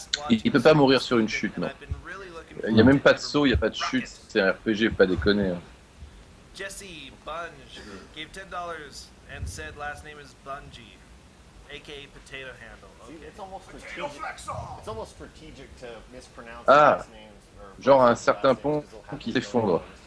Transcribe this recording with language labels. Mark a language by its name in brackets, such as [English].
[French] Il peut pas mourir sur une chute, non. Il n'y a même pas de saut, il n'y a pas de chute, c'est un RPG, pas déconner. Hein. [English] Jesse Bunge gave $10 and said last name is Bungie, aka Potato Handle. Okay. See, it's almost strategic. It's almost strategic to mispronounce last names. [French] Genre un certain pont qui s'effondre.